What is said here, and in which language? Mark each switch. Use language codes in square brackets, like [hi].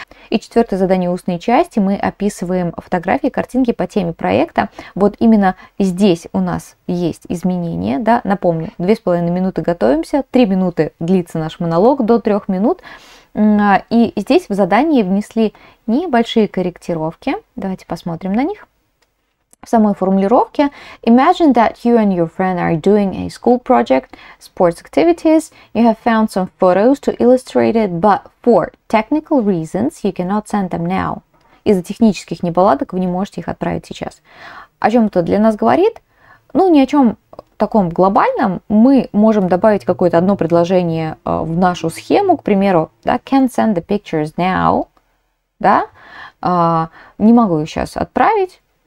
[ru] И четвертое задание устной части. Мы описываем фотографии, картинки по теме проекта. Вот именно здесь у нас есть изменения. Да? Напомню, 2,5 минуты готовимся, 3 минуты длится наш монолог, до 3 минут. И здесь в задание внесли небольшие корректировки. Давайте посмотрим на них. В самой формулировке: [en] imagine that you and your friend are doing a school project, sports activities. You have found some photos to illustrate it, but for technical reasons you cannot send them now. [ru] Из-за технических неполадок вы не можете их отправить сейчас. О чем это для нас говорит? Ну, ни о чем таком глобальном. Мы можем добавить какое-то одно предложение в нашу схему, к примеру, да, [en] can't send the pictures now, [ru] да, не могу их сейчас отправить.